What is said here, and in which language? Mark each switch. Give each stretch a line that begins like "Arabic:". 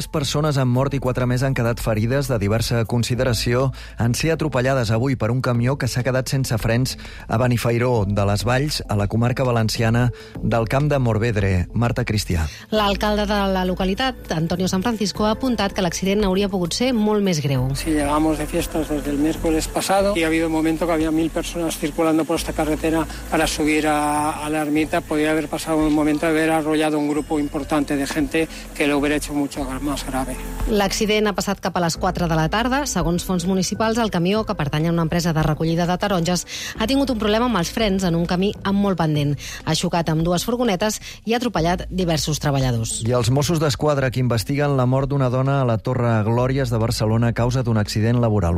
Catalan: 3 persones han mort i 4 més han quedat ferides de diversa consideració en ser atropellades avui per un camió que s'ha quedat sense frens a Benifairó de les Valls, a la comarca valenciana del Camp de Morvedre. Marta Cristià. L'alcalde de la localitat, Antonio San Francisco, ha apuntat que l'accident hauria pogut ser molt més greu.
Spanish: Sí, llevamos de fiestas desde el miércoles pasado y ha habido un momento que había 1000 personas circulando por esta carretera para subir a la ermita. Podría haber pasado un momento de haber arrollado un grupo importante de gente que lo hubiera hecho mucho más grave.
Catalan: L'accident ha passat cap a les 4 de la tarda. Segons fons municipals, el camió, que pertany a una empresa de recollida de taronges, ha tingut un problema amb els frens en un camí amb molt pendent. Ha xocat amb dues furgonetes i ha atropellat diversos treballadors. I els Mossos d'Esquadra, que investiguen la mort d'una dona a la Torre Glòries de Barcelona a causa d'un accident laboral.